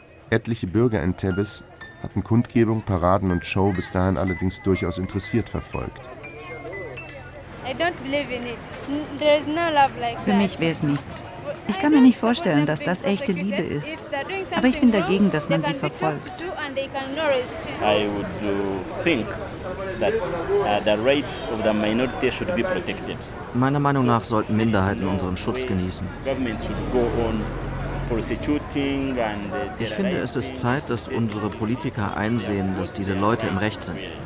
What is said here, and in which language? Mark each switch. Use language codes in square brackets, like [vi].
[de] Etliche Bürger in Tebbes hatten Kundgebung, Paraden und Show bis dahin allerdings durchaus interessiert verfolgt. [en] I don't believe in it. There is no love like that. [de] Für mich wäre es nichts. Ich kann mir nicht vorstellen, dass das echte Liebe ist. Aber ich bin dagegen, dass man sie verfolgt. [en] I would think that the rights of the minority should be protected. [de] Meiner Meinung nach sollten Minderheiten unseren Schutz genießen. Ich finde, es ist Zeit, dass unsere Politiker einsehen, dass diese Leute im Recht sind.